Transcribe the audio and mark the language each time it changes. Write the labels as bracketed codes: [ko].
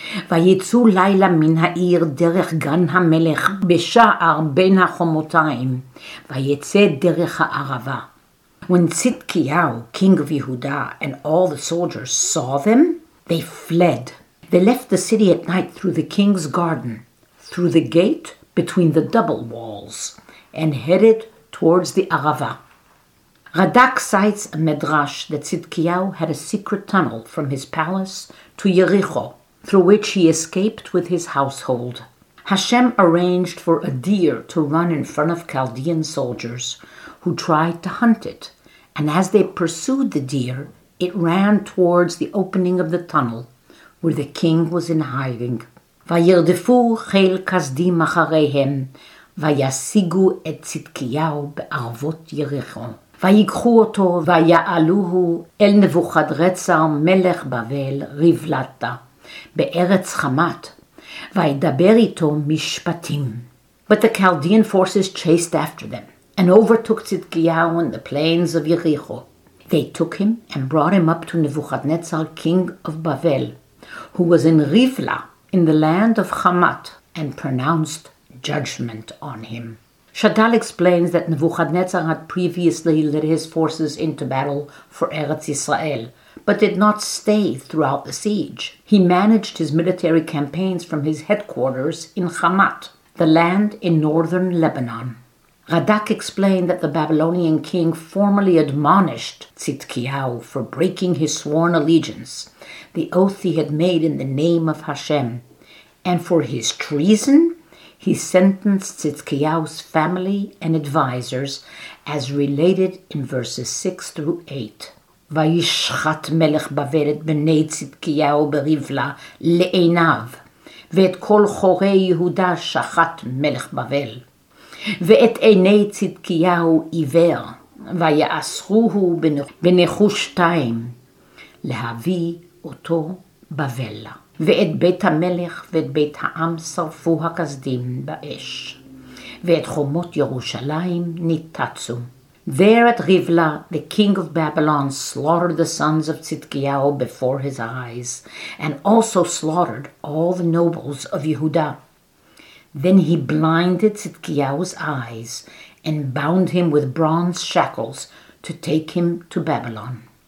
[he] ויצאו לילה מן העיר דרך גן המלך בשער בין החומותיים, ויצא דרך הערבה. [en] When Tzidkiyahu, king of Yehuda, and all the soldiers saw them, they fled. They left the city at night through the king's garden, through the gate between the double walls, and headed towards the Arava. Radak cites a medrash that Tzidkiyahu had a secret tunnel from his palace to Yericho, through which he escaped with his household. Hashem arranged for a deer to run in front of Chaldean soldiers, who tried to hunt it, and as they pursued the deer, it ran towards the opening of the tunnel, where the king was in hiding. [he] וירדפו חיל כשדים אחריהם, ויסיגו את צדקיהו בערבות יריחו. ויקחו אותו ויעלוהו אל נבוכדרצר מלך בבל ריבלטה, בארץ חמת, וידבר איתו משפטים. [en] But the Chaldean forces chased after them, and overtook Zedekiah in the plains of Jericho. They took him and brought him up to Nebuchadnezzar, king of Babel, who was in Rivla, in the land of Hamat, and pronounced judgment on him. Shaddal explains that Nebuchadnezzar had previously led his forces into battle for Eretz Yisrael, but did not stay throughout the siege. He managed his military campaigns from his headquarters in Hamat, the land in northern Lebanon. Radak explained that the Babylonian king formally admonished Zedekiah for breaking his sworn allegiance, the oath he had made in the name of Hashem, and for his treason, he sentenced Zedekiah's family and advisors, as related in verses 6 through 8. [he] וישחט מלך בבל את בני צדקיהו ברבלה לעיניו, ואת כל חורי יהודה שחט מלך בבל, ואת עיני צדקיהו עיוור, ויעשרוהו בנחושתיים להביא אותו בבלה. ואת בית המלך ואת בית העם שרפו הכסדים באש, ואת חומות ירושלים ניטצו. [en] There at Rivla, the king of Babylon slaughtered the sons of Zedekiah before his eyes, and also slaughtered all the nobles of Yehuda. Then he blinded Zedekiah's eyes and bound him with bronze shackles to take him to Babylon.